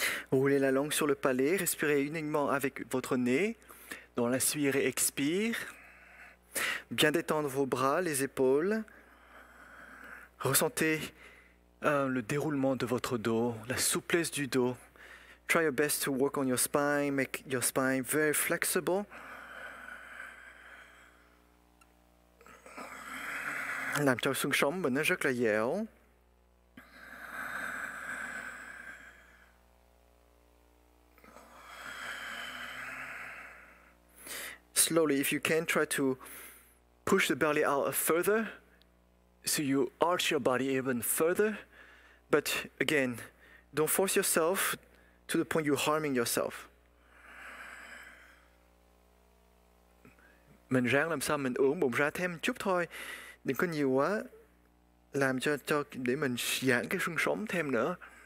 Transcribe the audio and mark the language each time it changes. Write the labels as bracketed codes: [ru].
[fr] Roulez la langue sur le palais, respirez uniquement avec votre nez. Donc, inspirez, expire. Bien détendre vos bras, les épaules. Ressentez le déroulement de votre dos, la souplesse du dos. [en] Try your best to work on your spine, make your spine very flexible. [vi] Làm cho xương sống mình nó rất là dẻo. [en] Slowly, if you can, try to push the belly out further so you arch your body even further. But again, don't force yourself to the point you're harming yourself. [vi] Mình ráng làm sao mình ưỡn bụng ra thêm chút thôi. Đừng có nhiều quá. Làm cho để mình giãn cái xương sống thêm nữa.